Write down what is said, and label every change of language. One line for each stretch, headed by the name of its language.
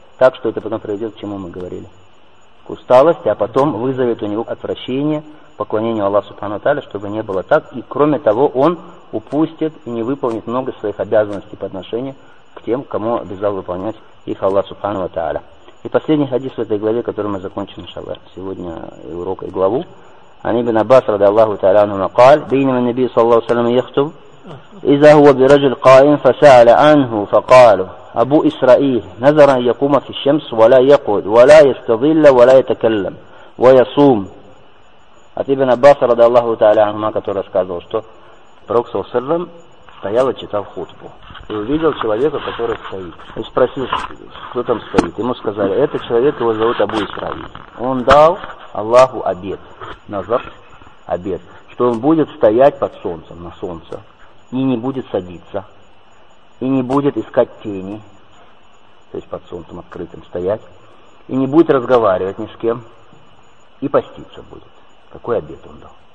Russian: Так что это потом приведет к чему мы говорили. К усталости, а потом вызовет у него отвращение, поклонение Аллаху Субхану Тааля, чтобы не было так. И кроме того, он упустит и не выполнит много своих обязанностей по отношению к тем, кому обязал выполнять их Аллах Субхану Тааля. И последний хадис в этой главе, который мы закончим, иншалла, сегодня урок и главу.
Arabic: عن ابن عباس رضي الله تعالى عنهما قال بينما النبي صلى الله عليه وسلم يخطب إذا هو برجل قائم فسأل عنه فقال أبو إسرائيل نذر أن يقوم في الشمس ولا يقعد ولا يستظل ولا يتكلم ويصوم. عن ابن عباس رضي الله تعالى عنهما
Russian: который рассказывал, что пророк
Arabic: صلى الله عليه وسلم
Russian: стоял и читал хутбу и увидел человека, который стоит, и спросил, кто там стоит. Ему сказали, этот человек, его зовут Абу Исраиль, он дал Аллаху обет, назар, обет, что он будет стоять под солнцем, на солнце, и не будет садиться, и не будет искать тени, то есть под солнцем открытым стоять, и не будет разговаривать ни с кем, и поститься будет. Какой обет он дал?